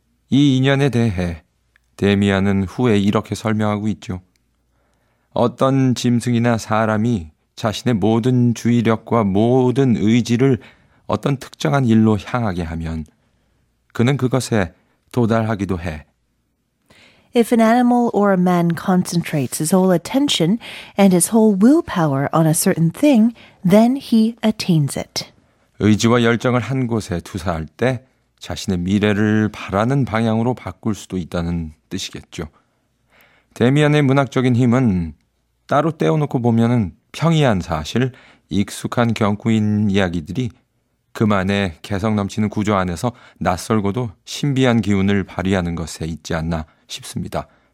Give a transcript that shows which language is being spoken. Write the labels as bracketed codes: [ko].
[ko] 이 인연에 대해 데미안은 후에 이렇게 설명하고 있죠. 어떤 짐승이나 사람이 자신의 모든 주의력과 모든 의지를 어떤 특정한 일로 향하게 하면 그는 그것에 도달하기도 해. [en] If an animal or a man concentrates his whole attention and his whole willpower on a certain thing, then he attains it. [ko] 의지와 열정을 한 곳에 투사할 때 자신의 미래를 바라는 방향으로 바꿀 수도 있다는 뜻이겠죠. 데미안의 문학적인 힘은 따로 떼어놓고 보면은 평이한 사실, 익숙한 경구인 이야기들이 그만의 개성 넘치는 구조 안에서 낯설고도 신비한 기운을 발휘하는 것에 있지 않나 싶습니다.